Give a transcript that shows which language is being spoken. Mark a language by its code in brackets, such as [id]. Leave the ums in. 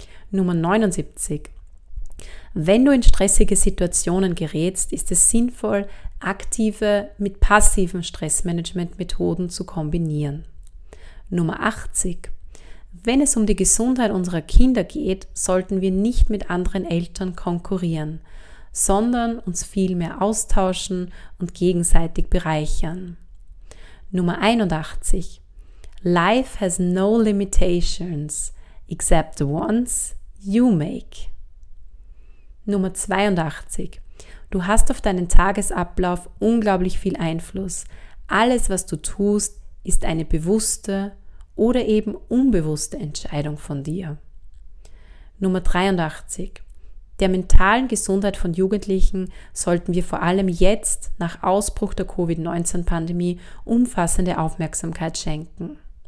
[de] Nummer 79. Wenn du in stressige Situationen gerätst, ist es sinnvoll, aktive mit passiven Stressmanagement-Methoden zu kombinieren. Nummer 80. Wenn es um die Gesundheit unserer Kinder geht, sollten wir nicht mit anderen Eltern konkurrieren, sondern uns viel mehr austauschen und gegenseitig bereichern. Nummer 81. [en] Life has no limitations except the ones you make. [de] Nummer 82. Du hast auf deinen Tagesablauf unglaublich viel Einfluss. Alles, was du tust, ist eine bewusste oder eben unbewusste Entscheidung von dir. Nummer 83. Der mentalen Gesundheit von Jugendlichen sollten wir vor allem jetzt nach Ausbruch der Covid-19-Pandemie umfassende Aufmerksamkeit schenken.